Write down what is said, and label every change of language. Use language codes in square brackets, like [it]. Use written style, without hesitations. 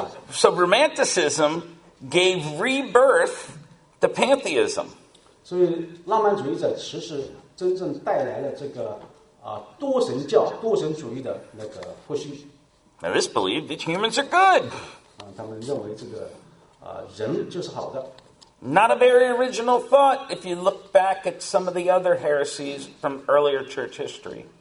[en] So Romanticism gave rebirth to pantheism. [zh] So, 浪漫主义者其实真正带来了这个多神教、多神主义的那个复兴。 [en] Now, this believed that humans are good. [zh] 他们认为这个人就是好的。 [en] Not a very original thought if you look back at some of the other heresies from earlier church history.